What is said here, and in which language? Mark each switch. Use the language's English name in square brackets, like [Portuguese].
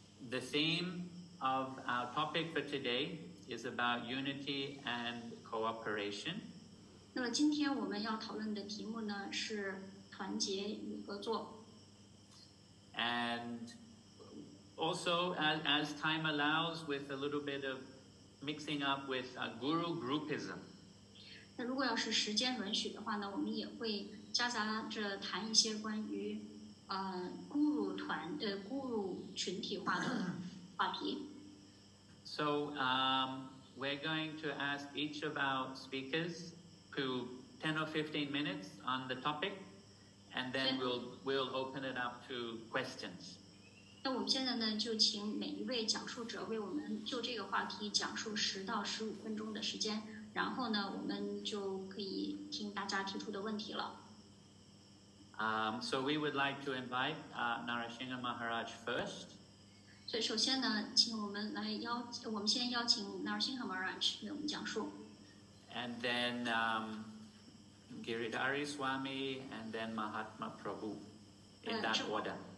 [English] The theme of our topic for today is about unity and cooperation。 [Chinese] 那么今天我们要讨论的题目呢是团结与合作。 [English] And also, as time allows, with a little bit of mixing up with guru groupism. [Chinese] 那如果要是时间允许的话呢，我们也会夹杂着谈一些关于guru团的guru群体化的话题。 [English] So, we're going to ask each of our speakers to 10 or 15 minutes on the topic, and then we'll open it up to questions. [Chinese] 那我们现在呢，就请每一位讲述者为我们就这个话题讲述10到15分钟的时间。然后呢，我们就可以听大家提出的问题了。 [English] So we would like to invite Narasimha Maharaj first. [Chinese] 所以首先呢，请我们来邀，我们先邀请 Narasimha Maharaj 为我们讲述。 [English] And then Giridhari Swami, and then Mahatma Prabhu, in that order.